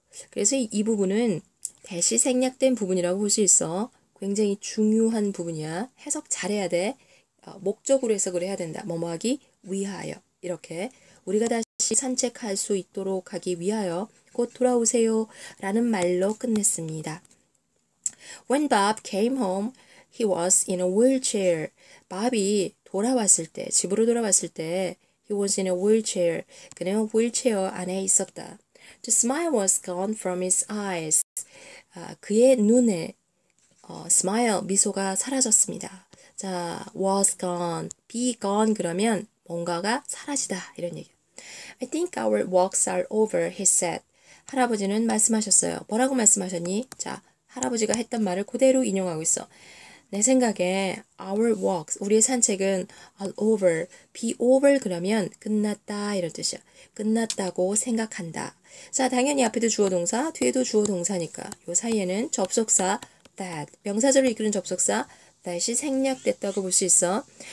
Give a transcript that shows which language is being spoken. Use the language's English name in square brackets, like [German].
[Korean] 그래서 이 부분은 대시 생략된 부분이라고 볼수 있어. 굉장히 중요한 부분이야. 해석 잘해야 돼. 목적으로 해석을 해야 된다. 뭐뭐 하기 위하여. 이렇게 우리가 다시 산책할 수 있도록 하기 위하여 곧 돌아오세요 라는 말로 끝냈습니다. [English] When Bob came home, he was in a wheelchair. [Korean] 밥이 돌아왔을 때, 집으로 돌아왔을 때, [English] he was in a wheelchair. [Korean] 그는 wheelchair 안에 있었다. [English] The smile was gone from his eyes. [Korean] 그의 눈에 smile 미소가 사라졌습니다. 자, was gone, be gone 그러면 뭔가가 사라지다 이런 얘기. [English] I think our walks are over, he said. [Korean] 할아버지는 말씀하셨어요. 뭐라고 말씀하셨니? 자, 할아버지가 했던 말을 그대로 인용하고 있어. 내 생각에 our walks, 우리의 산책은 all over, be over 그러면 끝났다 이런 뜻이야. 끝났다고 생각한다. 자, 당연히 앞에도 주어 동사, 뒤에도 주어 동사니까 요 사이에는 접속사 that, 명사절을 이끄는 접속사 that이 생략됐다고 볼수 있어.